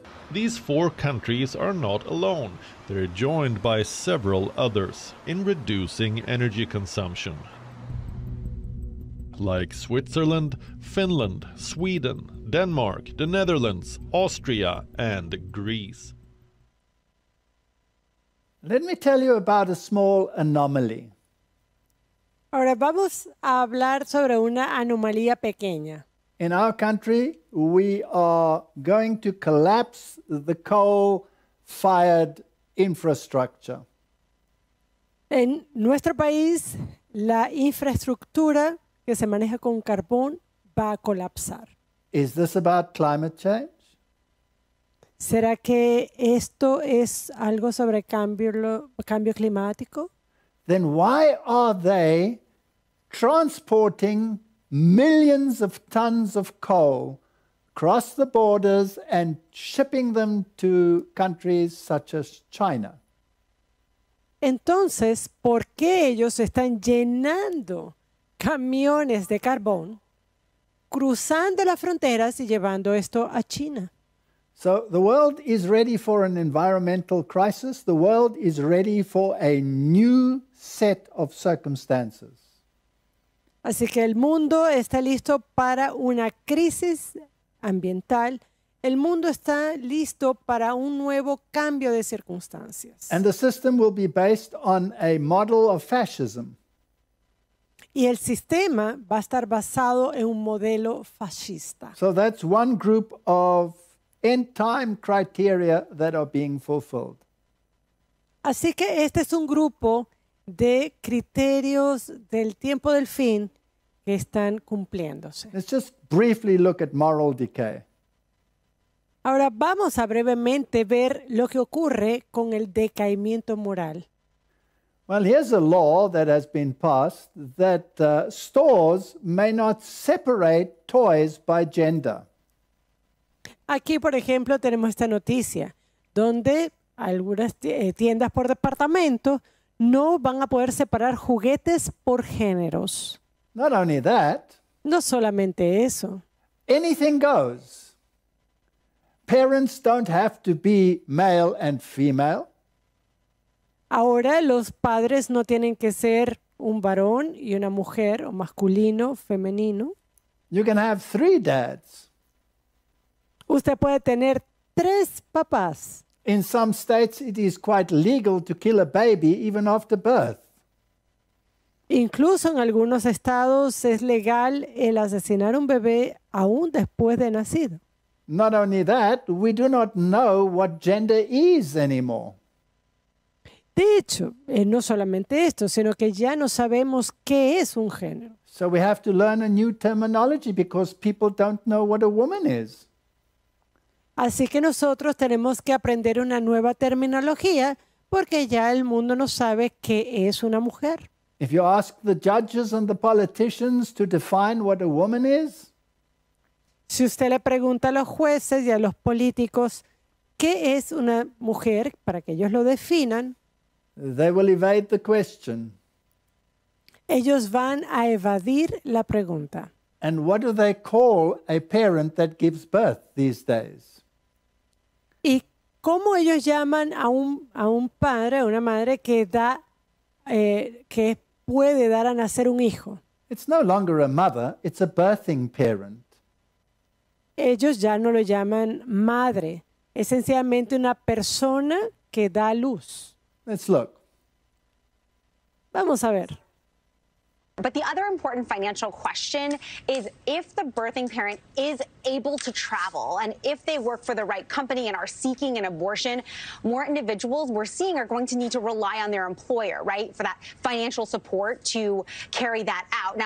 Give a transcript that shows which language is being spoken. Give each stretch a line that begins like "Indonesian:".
English: These four countries are not alone. They're joined by several others in reducing energy consumption, like Switzerland, Finland, Sweden, Denmark, the Netherlands, Austria, and Greece. Let me tell you about a small anomaly.
Spanish: Ahora vamos a hablar sobre una anomalía pequeña.
English: In our country, we are going to collapse the coal-fired infrastructure.
Spanish: En nuestro país, la infraestructura que se maneja con carbón va a colapsar.
English: Is this about climate change?
Spanish: ¿Será que esto es algo sobre cambio climático?
English: Then why are they transporting millions of tons of coal across the borders and shipping them to countries such as China?
Spanish: Entonces, ¿por qué ellos están llenando camiones de carbón, cruzando las fronteras y llevando esto a China?
English: So the world is ready for an environmental crisis. The world is ready for a new set of circumstances.
Spanish: Así que el mundo está listo para una crisis ambiental. El mundo está listo para un nuevo cambio de circunstancias.
English: And the system will be based on a model of fascism.
Spanish: Y el sistema va a estar basado en un modelo fascista.
English: So that's one group of end time criteria that are being fulfilled.
Spanish: Así que este es un grupo de criterios del tiempo del fin que están cumpliéndose.
English: Let's just briefly look at moral decay.
Spanish: Ahora vamos a brevemente ver lo que ocurre con el decaimiento moral.
English: Well, here's a law that has been passed that stores may not separate toys by gender.
Spanish: Aquí, por ejemplo, tenemos esta noticia, donde algunas tiendas por departamento no van a poder separar juguetes por géneros.
English: Not only that.
Spanish: No solamente eso.
English: Anything goes. Parents don't have to be male and female.
Spanish: Ahora los padres no tienen que ser un varón y una mujer, o masculino, femenino.
English: You can have three dads.
Spanish: Usted puede tener tres papás.
English: In some states, it is quite legal to kill a baby even after birth.
Spanish: Incluso en algunos estados es legal el asesinar un bebé aún después de nacido.
English: Not only that, we do not know what gender is anymore.
Spanish: De hecho, no solamente esto, sino que ya no sabemos qué es un género.
English: So we have to learn a new terminology because people don't know what a woman is.
Spanish: Así que nosotros tenemos que aprender una nueva terminología porque ya el mundo no sabe qué es una mujer.
English: If you ask the judges and the politicians to define what a woman is,
Spanish: si usted le pregunta a los jueces y a los políticos qué es una mujer para que ellos lo definan,
English: they will evade the question.
Spanish: Ellos van a evadir la pregunta.
English: And what do they call a parent that gives birth these days?
Spanish: ¿Y cómo ellos llaman a un padre, a una madre que da, que puede dar a nacer un hijo?
English: It's no longer a mother, it's a birthing parent.
Spanish: Ellos ya no lo llaman madre, es sencillamente una persona que da luz.
English: Let's look.
Spanish: Vamos a ver.
English: But the other important financial question is if the birthing parent is able to travel and if they work for the right company and are seeking an abortion, more individuals we're seeing are going to need to rely on their employer, right, for that financial support to carry that out.